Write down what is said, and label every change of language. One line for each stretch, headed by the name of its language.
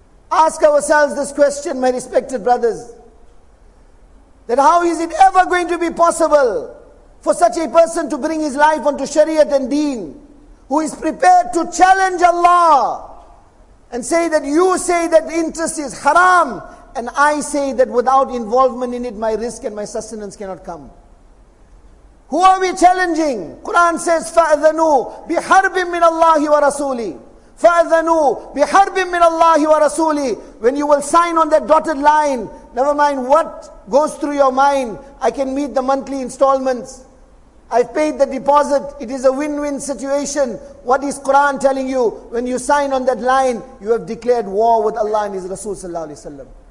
English: Ask ourselves this question, my respected brothers. That how is it ever going to be possible for such a person to bring his life onto Sharia and Deen, who is prepared to challenge Allah and say that you say that interest is haram, and I say that without involvement in it, my risk and my sustenance cannot come. Who are we challenging? Quran says,
Arabic: فَأَذَنُوا بِحَرْبٍ مِّنَ اللَّهِ وَرَسُولِي فَأَذَنُوا بِحَرْبٍ مِّنَ اللَّهِ وَرَسُولِي.
English: When you will sign on that dotted line, never mind what goes through your mind, I can meet the monthly installments. I've paid the deposit. It is a win-win situation. What is Quran telling you? When you sign on that line, you have declared war with Allah and His Rasul sallallahu alayhi wa sallam.